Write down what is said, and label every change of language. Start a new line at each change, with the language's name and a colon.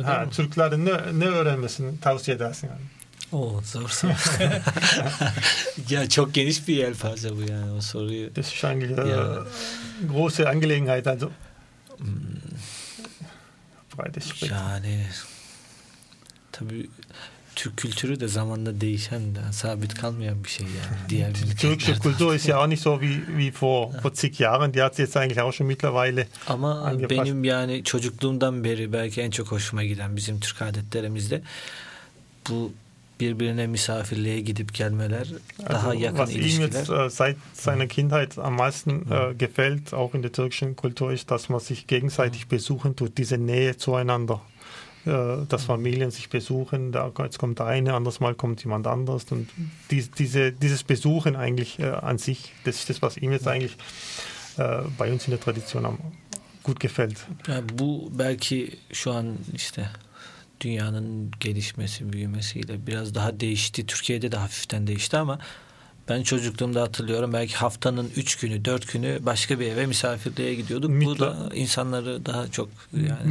Turkish: Türklerden ne öğrenmesini tavsiye edersin yani? Oh, zor soru. Ja, çok geniş bir yelpaze bu yani o soruyu.
German: Das ist eigentlich eine große Angelegenheit, also.
Turkish: Yani tabii Türk kültürü de zamanla değişen de sabit kalmayan bir şey yani diğer ülkelerde. Türkçe kültür
German: ist ja auch nicht so wie vor zig Jahren, die hat sich jetzt eigentlich auch schon mittlerweile ama angepasst.
Turkish: Benim yani çocukluğumdan beri belki en çok hoşuma giden bizim Türk adetlerimizde bu birbirine misafirliğe gidip gelmeler,
German: also,
Turkish: daha yakın
German: was
Turkish: ilişkiler.
German: Was ihm jetzt seit seiner Kindheit am meisten gefällt, auch in der türkischen Kultur, ist, dass man sich gegenseitig besuchen tut, diese Nähe zueinander, dass Familien sich besuchen, da jetzt kommt der eine, anderes Mal kommt jemand anders und dieses Besuchen eigentlich an sich, das ist das, was ihm jetzt eigentlich bei uns in der Tradition gut gefällt.
Turkish: Ja, bu belki şu an işte dünyanın gelişmesi, büyümesiyle biraz daha değişti. Türkiye'de de hafiften değişti ama ben çocukluğumda hatırlıyorum. Belki haftanın 3 günü, 4 günü başka bir eve misafirliğe gidiyorduk. Bu da insanları daha çok yani